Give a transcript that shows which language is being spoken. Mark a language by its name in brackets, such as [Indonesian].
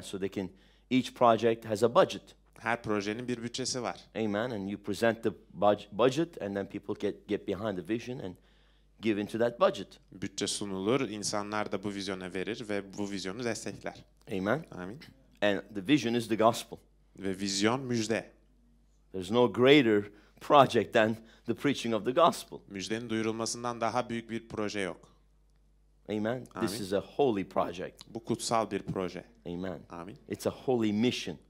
[English] So they can, each project has a budget. [Turkish] Her projenin bir bütçesi var. [English] Amen. And you present the budget and then people get behind the vision and give into that budget. [Turkish] Bütçe sunulur, insanlar da bu vizyona verir ve bu vizyonu destekler. [English] Amen. [Turkish] Amin. [English] And the vision is the gospel. [Turkish] Ve vizyon müjde. [English] There's no greater project than the preaching of the gospel. [Turkish] Müjdenin duyurulmasından daha büyük bir proje yok. [English] Amen. Amin. This is a holy project. [Turkish] Bu kutsal bir proje. [English] Amen. [Turkish] Amin. [English] It's a holy mission.